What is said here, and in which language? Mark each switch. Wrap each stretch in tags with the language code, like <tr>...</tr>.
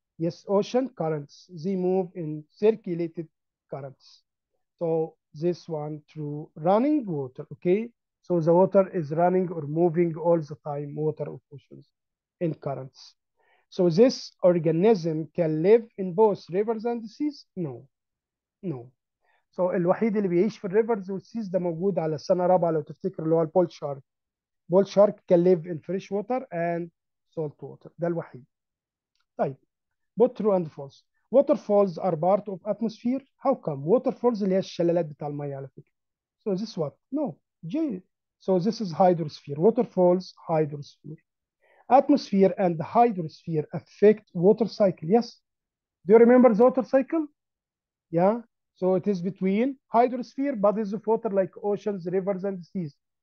<en>Yes, ocean currents, they move in circulated currents. So this one through running water, okay? So the water is running or moving all the time, water or oceans in currents. So this organism can live in both rivers and the seas? No, no.</en> <ar>So الوحيد اللي بيعيش في</ar> <en>الريفرز والسيز</en> <ar>ده موجود على السنة الرابعة لو تفتكر اللي هو البول شارك.</ar> <en>Bull shark can live in fresh water and salt water.</en> <ar>ده الوحيد.</ar> <en>طيب, both true and false. Waterfalls are part of atmosphere. How come?</en> <ar>Waterfalls اللي هي الشلالات بتاع المية على فكرة.</ar> <en>So this what? No. So this is hydrosphere. Waterfalls, hydrosphere. Atmosphere and the hydrosphere affect water cycle. Yes. Do you remember the water cycle? Yeah. So it is between hydrosphere, bodies of water like oceans, rivers, and seas.</en>